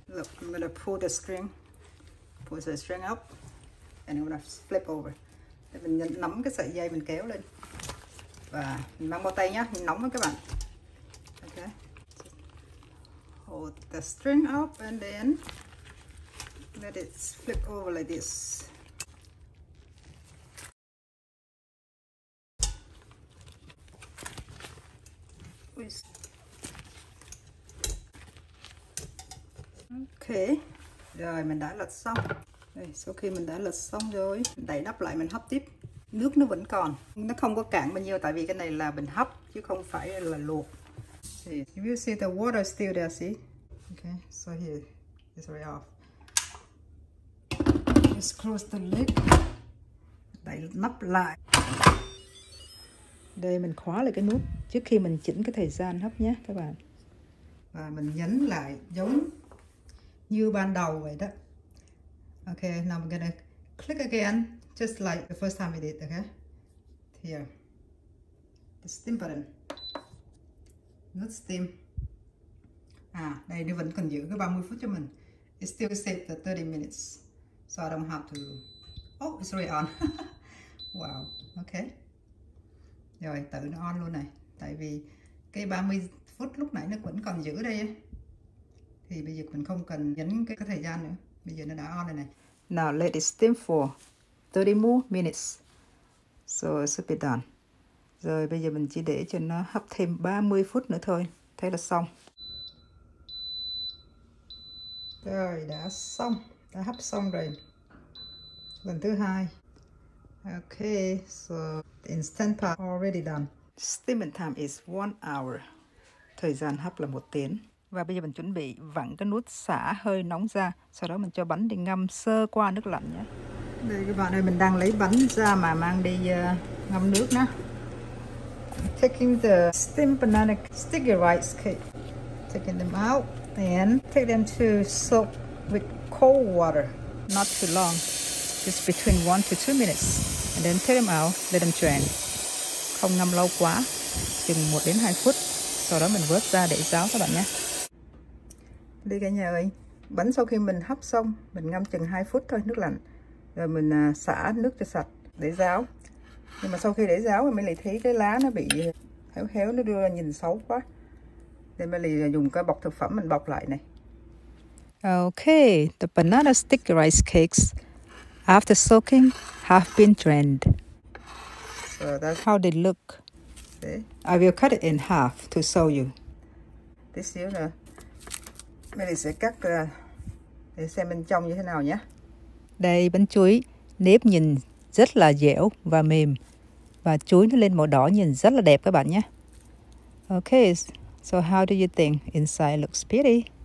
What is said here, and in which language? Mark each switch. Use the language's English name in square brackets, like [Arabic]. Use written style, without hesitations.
[English] Look, I'm gonna pull the string, pull the string up, and I'm gonna flip over. [Vietnamese] Để mình nắm cái sợi dây mình kéo lên. Và mình mang bao tay nhá, mình nóng lắm các bạn. [English] Okay. Hold the string up and then let it flip over like this. [Vietnamese] Ok, rồi mình đã lật xong. Đây, sau khi mình đã lật xong rồi, đậy nắp lại mình hấp tiếp. Nước nó vẫn còn, nó không có cạn bao nhiêu tại vì cái này là mình hấp chứ không phải là luộc. [English] See, you see the water still there, see? Okay, so here it's already off. Just close the lid. [Vietnamese] Đậy nắp lại. Đây mình khóa lại cái nút trước khi mình chỉnh cái thời gian hấp nhé các bạn. Và mình nhấn lại giống như ban đầu vậy đó. [English] Ok, now I'm gonna click again, just like the first time we did, okay? Here, the steam button, not steam. [Vietnamese] À, đây nó vẫn còn giữ cái 30 phút cho mình. [English] It still said the 30 minutes, so I don't have to... Oh, it's already on. Wow, okay. [Vietnamese] Rồi, tự nó on luôn này. Tại vì cái 30 phút lúc nãy nó vẫn còn giữ đây. Thì bây giờ mình không cần nhấn cái thời gian nữa. Bây giờ nó đã on rồi này. [English] Now let it steam for 30 more minutes. So it should be done. [Vietnamese] Rồi bây giờ mình chỉ để cho nó hấp thêm 30 phút nữa thôi. Thế là xong. Rồi đã xong. Đã hấp xong rồi. Lần thứ hai. [English] Ok, so the instant pot already done. Steaming time is 1 hour. [Vietnamese] Thời gian hấp là 1 tiếng. Và bây giờ mình chuẩn bị vặn cái nút xả hơi nóng ra. Sau đó mình cho bánh đi ngâm sơ qua nước lạnh nhé. Đây các bạn ơi, mình đang lấy bánh ra mà mang đi ngâm nước nè. [English] Taking the steamed banana sticky rice cake. Taking them out and take them to soak with cold water. Not too long, just between 1 to 2 minutes. And then take them out, let them drain. [Vietnamese] Không ngâm lâu quá, chừng 1 đến 2 phút. Sau đó mình vớt ra để ráo các bạn nhé. Đi cả nhà ơi, bánh sau khi mình hấp xong, mình ngâm chừng 2 phút thôi, nước lạnh. Rồi mình xả nước cho sạch, để ráo. Nhưng mà sau khi để ráo, mình lại thấy cái lá nó bị héo héo, nó đưa nhìn xấu quá. Nên mình lại dùng cái bọc thực phẩm mình bọc lại này. [English] Ok, the banana sticky rice cakes, after soaking, have been drained. So that's how they look. See? I will cut it in half to show you. This year, [Vietnamese] mình sẽ cắt để xem bên trong như thế nào nhé. Đây, bánh chuối nếp nhìn rất là dẻo và mềm. Và chuối nó lên màu đỏ nhìn rất là đẹp các bạn nhé. [English] Ok, so how do you think? Inside looks pretty.